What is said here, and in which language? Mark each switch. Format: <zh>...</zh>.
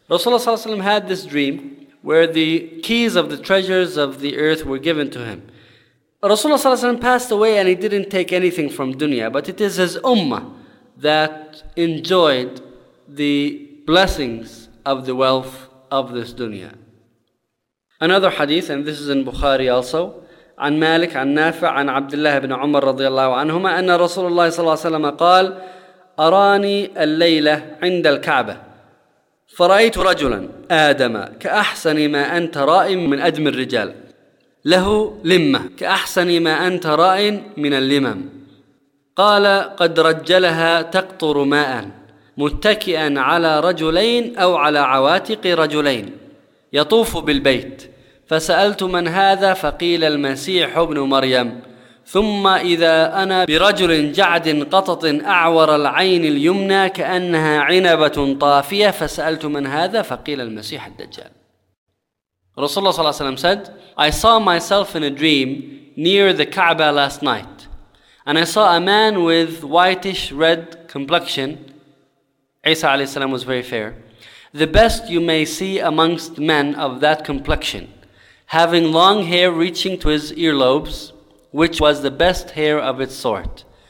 <en>Rasulullah sallallahu alayhi wa sallam had this dream where the keys of the treasures of the earth were given to him. Rasulullah sallallahu alayhi wa sallam passed away and he didn't take anything from dunya, but it is his ummah that enjoyed the blessings of the wealth of this dunya. Another hadith, and this is in Bukhari also,</en> <ar>عن مالك عن نافع عن عبد الله بن عمر رضي الله عنهما أن رسول الله صلى الله عليه وسلم قال أراني الليلة عند الكعبة فرأيت رجلا آدم كأحسن ما أنت رائ من أدم الرجال له لمة كأحسن ما أنت رائ من اللمم قال قد رجلها تقطر ماء متكئا على رجلين أو على عواتق رجلين يطوف بالبيت فسألت من هذا فقيل المسيح ابن مريم ثم إذا أنا برجل جعد قطط أعور العين اليمنى كأنها عنبة طافية فسألت من هذا فقيل المسيح الدجال. رسول الله صلى الله عليه وسلم</ar> <en>said, I saw myself in a dream near the Kaaba last night, and I saw a man with whitish red complexion. Isa</en> <ar>عليه السلام</ar> <en>was very fair, the best you may see amongst men of that complexion, having long hair reaching to his earlobes, which was the best hair of its sort.</en>